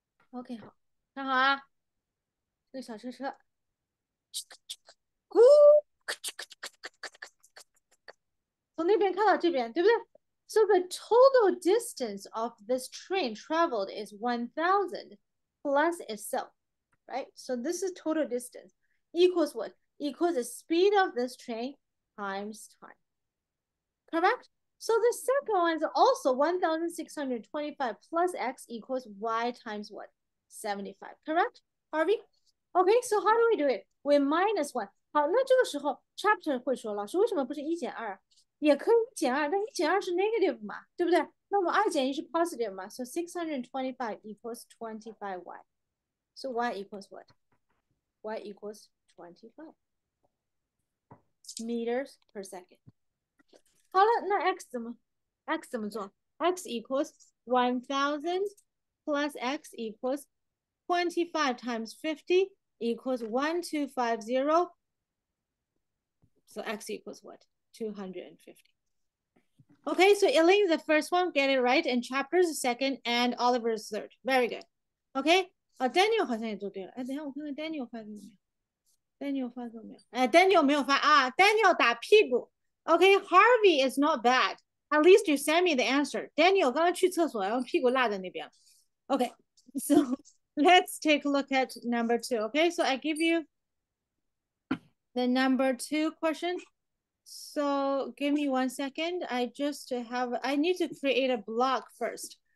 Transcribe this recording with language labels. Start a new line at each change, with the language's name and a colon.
English: OK
Chinese: 好看好啊这个小车车 从那边看到这边，对不对？
English: So the total distance of this train traveled is 1,000 plus itself, right? So this is total distance equals what? Equals the speed of this train times time. Correct? So the second one is also 1,625 plus x equals y times what? 75. Correct, Harvey? Okay, so how do we do it? We minus one.
Chinese: 好，那这个时候 chapter 会说，老师为什么不是一减二？也可以减二，但一减二 是 negative 嘛，对不对？那么二减一是 positive 嘛，
English: so 625 equals 25 y，so y equals what？y equals 25 meters per second。
Chinese: 好了，那 x 怎么 x 怎么做？
English: x equals 1,000 plus x equals 25 times 50 equals 1,250。 So x equals what? 250. Okay, so Elaine, the first one, get it right, and Chapter's the second, and Oliver's third. Very good.
Chinese: Okay, Daniel 好像也做对了。哎，等下我看看 Daniel 发给我没有。Daniel 发给我没有？哎，Daniel 没有发啊。Daniel 打屁股.
English: Okay, Harvey is not bad. At least you send me the answer. Daniel
Chinese: 刚刚去厕所，然后屁股落在那边。
English: Okay, so let's take a look at number two. Okay, so I give you the number two question. So give me 1 second. I need to create a block first.